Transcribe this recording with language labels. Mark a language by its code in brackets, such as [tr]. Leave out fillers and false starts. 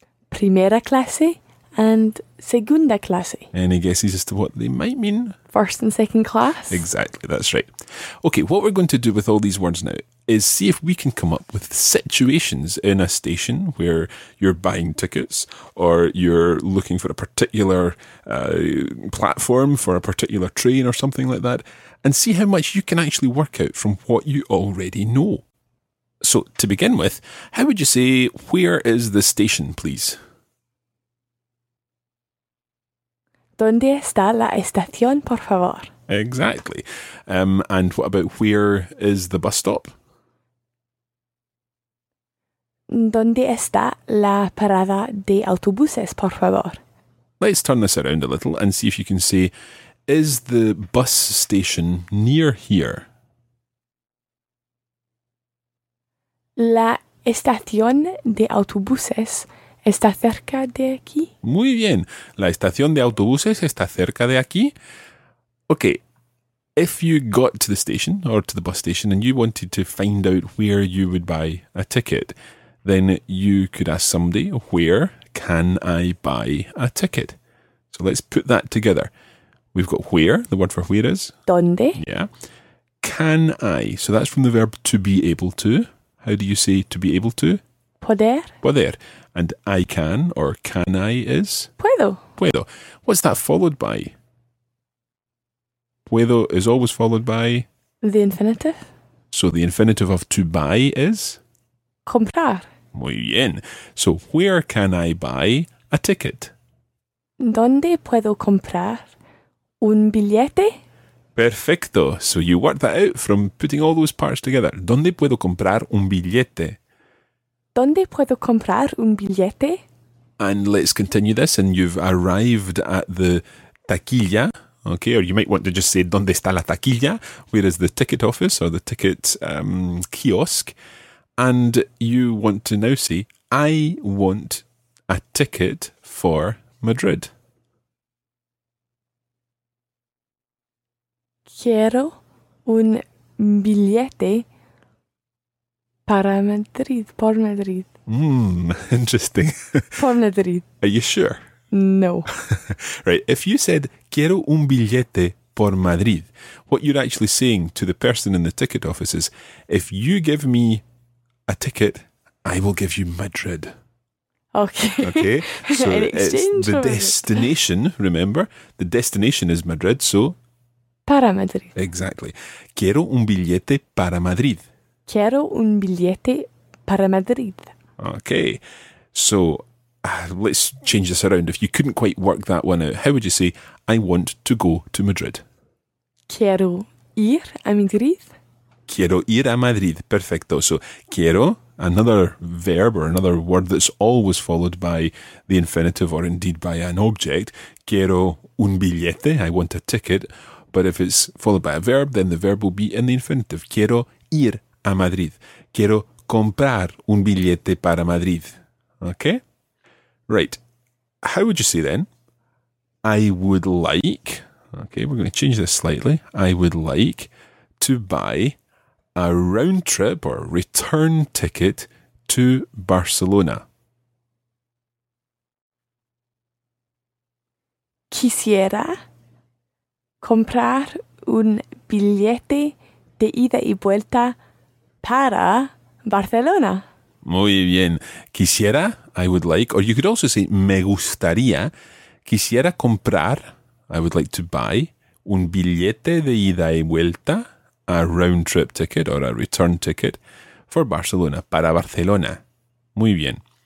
[es] Primera clase and segunda clase. [en] Any guesses as to what they might mean? First and second class. Exactly, that's right. Okay, what we're going to do with all these words now is see if we can come up with situations in a station where you're buying tickets or you're looking for a particular platform for a particular train or something like that, and see how much you can actually work out from what you already know. So, to begin with, how would you say, where is the station, please? [es] ¿Dónde está la estación, por favor? [en] Exactly. And what about where is the bus stop? [es] ¿Dónde está la parada de autobuses, por favor? [en] Let's turn this around a little and see if you can say, is the bus station near here? [es] La estación de autobuses está cerca de aquí. Muy bien. La estación de autobuses está cerca de aquí. [en] Okay. If you got to the station or to the bus station and you wanted to find out where you would buy a ticket, then you could ask somebody, where can I buy a ticket? So let's put that together. We've got where, the word for where is. [es] ¿Dónde? [en] Yeah. Can I? So that's from the verb to be able to. How do you say to be able to? [es] Poder. [en] Poder. And I can or can I is? [es] Puedo. [en] Puedo. What's that followed by? Puedo is always followed by? The infinitive. So the infinitive of to buy is? [es] Comprar. Muy bien. [en] So where can I buy a ticket? [es] ¿Dónde puedo comprar un billete? Perfecto. [en] So you work that out from putting all those parts together. [es] ¿Dónde puedo comprar un billete? ¿Dónde puedo comprar un billete? [en] And let's continue this. And you've arrived at the taquilla. Okay, or you might want to just say, [es] ¿dónde está la taquilla? [en] Where is the ticket office or the ticket kiosk? And you want to now say, I want a ticket for Madrid. [es] Quiero un billete para Madrid, por Madrid. [en] Interesting. [es] Por Madrid. [en] Are you sure? No. Right, if you said, [es] quiero un billete por Madrid, [en] what you're actually saying to the person in the ticket office is, if you give me a ticket, I will give you Madrid. Okay. So it's the destination, remember? The destination is Madrid, so... [es] Para Madrid. [en] Exactly. [es] Quiero un billete para Madrid. Quiero un billete para Madrid. [en] Okay. So, let's change this around. If you couldn't quite work that one out, how would you say, I want to go to Madrid? [es] Quiero ir a Madrid. Quiero ir a Madrid. Perfecto. [en] So, quiero, another verb or another word that's always followed by the infinitive or indeed by an object. [es] Quiero un billete. [en] I want a ticket. But if it's followed by a verb, then the verb will be in the infinitive. [es] Quiero ir a Madrid. Quiero comprar un billete para Madrid. [en] Okay? Right. How would you say then? I would like... Okay, we're going to change this slightly. I would like to buy a round trip or return ticket to Barcelona. [es] Quisiera... comprar un billete de ida y vuelta para Barcelona. Muy bien. [en] Quisiera, I would like, or you could also say me gustaría. Quisiera comprar, I would like to buy, [es] un billete de ida y vuelta, [en] a round trip ticket or a return ticket for Barcelona, [es] para Barcelona. Muy bien.